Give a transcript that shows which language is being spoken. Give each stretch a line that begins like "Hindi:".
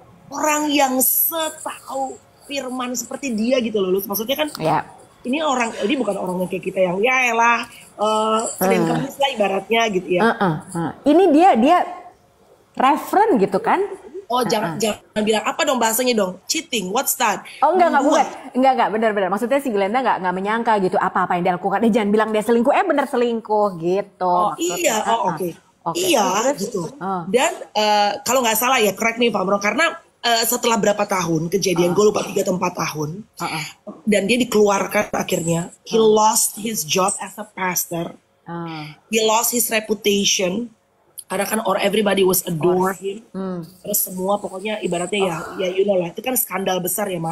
Indonesian: Orang yang setahu firman seperti dia gitu loh, Luz. Maksudnya kan... Ini orang, ini bukan orang yang kayak kita yang yaelah, keren kemis lah ibaratnya gitu ya. Ini dia referen gitu kan? Oh jangan bilang apa dong bahasanya dong,
English: cheating, what's that?
Indonesian: Oh enggak, bukan. Enggak, benar-benar. Maksudnya si Glenda enggak menyangka gitu apa-apa yang dia lakukan. Jangan bilang dia selingkuh, benar selingkuh gitu. Oke. Iya gitu. Dan kalau enggak salah ya,
English: correct me if I'm wrong,
Indonesian: karena... setelah berapa tahun kejadian, gue lupa 3 atau 4 tahun, dan dia dikeluarkan akhirnya,
English: he lost his job as a pastor, he lost his reputation,
Indonesian: karena kan
English: everybody was adore him,
Indonesian: terus semua pokoknya ibaratnya ya
English: you know
Indonesian: lah, itu kan skandal besar ya, Ma.